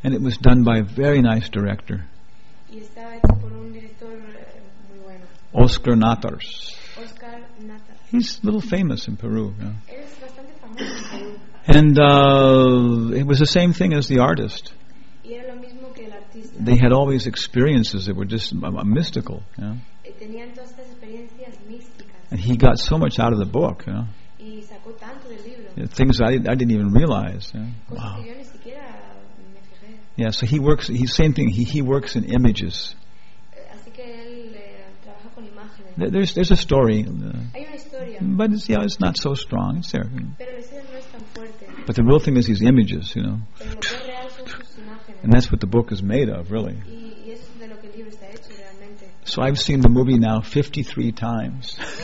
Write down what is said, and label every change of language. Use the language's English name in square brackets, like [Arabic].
[English] And it was done by a very nice director. [Spanish] Y estaba hecho por un director muy bueno. [English] Oscar Natars. Oscar Natars. He's a little famous in Peru. Yeah. [Spanish] Él es bastante famoso en Perú. [English] And it was the same thing as the artist. [Spanish] Y era lo mismo que el artista. [English] They had all these experiences that were just mystical. Yeah. [Spanish] Tenían todas estas experiencias místicas. [English] And he got so much out of the book, you know. [Spanish] Y sacó tanto del libro. [English] Yeah, things I didn't even realize. You know. [Spanish] Wow. Que yo ni siquiera me fijé. [English] Yeah, so he works, he's same thing, he works in images. [Spanish] Así que él, trabaja con imágenes. [English] There's a story. [Spanish] Hay una historia. [English] But it's, yeah, it's not so strong, it's there. [Spanish] Pero la historia no es tan fuerte. [English] But the real thing is his images, you know. [Spanish] Lo que es real son sus imágenes. [English] And that's what the book is made of, really. [Spanish] Y eso es de lo que el libro está hecho, realmente. [English] So I've seen the movie now 53 times.